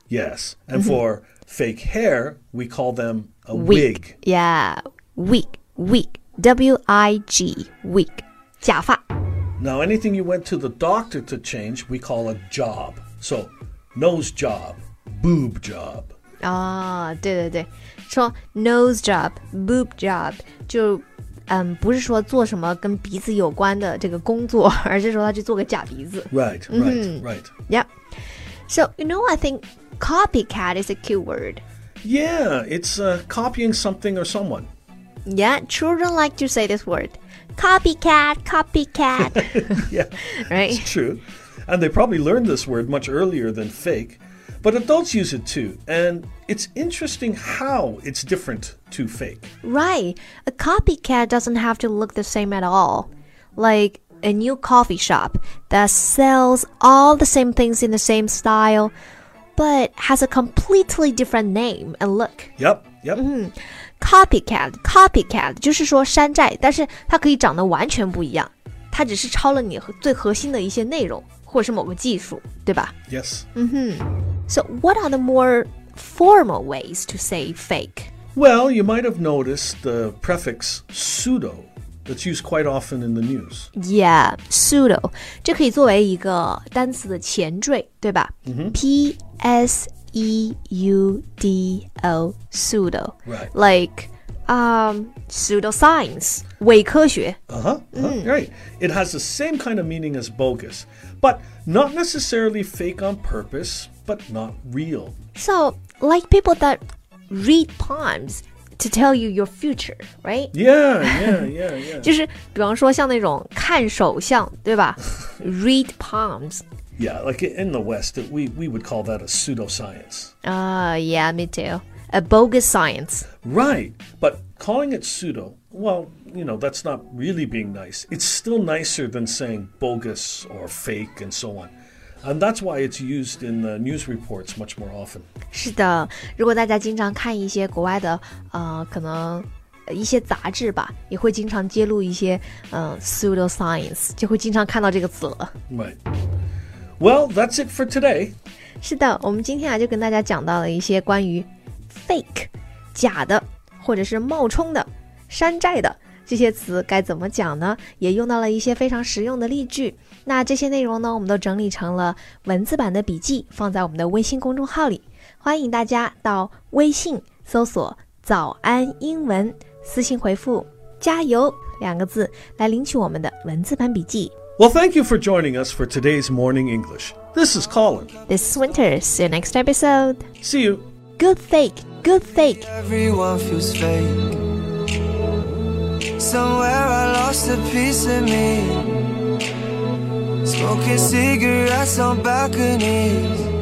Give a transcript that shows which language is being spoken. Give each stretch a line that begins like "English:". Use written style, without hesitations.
English: Yes. And、mm-hmm. for fake hair, we call them a wig. Yeah. Wig. Wig. W-I-G. Wig.
Chinese: 假发
English: Now, anything you went to the doctor to change, we call a job. So, nose job. Boob job.
Chinese: 啊、
English: oh,
Chinese: 对对对。说
English: nose job, boob job,
Chinese: 就不是说做什么跟鼻子有关的这个工作，而是说他去做个假鼻子。
English: Right, right,、mm-hmm. right. Yep. So, you know, I think copycat is a cute word. Yeah, it's copying something or someone. Yeah, children like to say this word. Copycat, copycat. yeah, right? It's true. And they probably learned this word much earlier than fake. But adults use it too. And it's interesting how it's different. To fake. Right. A copycat doesn't have to look the same at all. Like a new coffee shop that sells all the same things in the same style, but has a completely different name and look. Yep, yep. Mm-hmm.
Chinese: Copycat, 就是说山寨，但是它可以长得完全不一样。它只是抄了你最核心的一些内容，或者是某个技术，对吧？
English: Yes. Mm-hmm. So what are the more formal ways to say fake? Well, you might have noticed the prefix pseudo that's used quite often in the news. Yeah, pseudo.
Chinese: 这可以作为一个单词的前缀，对吧、
English: mm-hmm. P-S-E-U-D-O, pseudo. Right. Like, pseudoscience,
Chinese: 伪科学
English: Uh-huh, uh-huh、mm. right. It has the same kind of meaning as bogus, but not necessarily fake on purpose, but not real. So, like people that... read palms to tell you your future, right? Yeah.
Chinese: 就是比方说像那种看手相对吧
English: read palms. Yeah, like in the West, we would call that a pseudoscience. Yeah, me too. A bogus science. Right, but calling it pseudo, well, you know, that's not really being nice. It's still nicer than saying bogus or fake and so on. And that's why it's used in the news reports much more often.
Chinese: 是的，如果大家经常看一些国外的，可能一些杂志吧，也会经常揭露一些，pseudoscience， 就会经常看到这个词了。
English: Right. Well, that's it for today.
Chinese: 是的，我们今天啊就跟大家讲到了一些关于 fake 假的或者是冒充的山寨的这些词该怎么讲呢，也用到了一些非常实用的例句。那这些内容呢我们都整理成了文字版的笔记，放在我们的微信公众号里，欢迎大家到微信搜索早安英文，私信回复加油两个字来领取我们的文字版笔记。
English: Well, thank you for joining us for today's Morning English. This is Colin. This is Winter. See you next episode. See you. Good fake, good fake. Everyone feels fake. Somewhere I lost a piece of me. Smoking cigarettes on balconies.